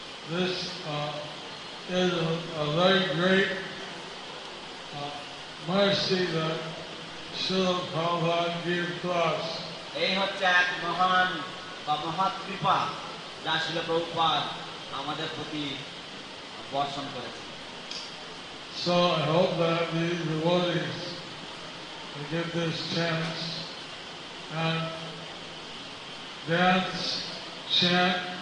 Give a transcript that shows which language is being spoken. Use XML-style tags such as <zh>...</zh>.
<en>This is a very great mercy that Srila Prabhupada gave to us.</en> <bn>এই হচ্ছে এক মহান বা মহৎ কৃপা যা শ্রীল প্রভুপাদ আমাদের প্রতি বর্ষণ করেছেন.</bn> <en>So I hope that these devotees will give this chance and dance, chant,</en>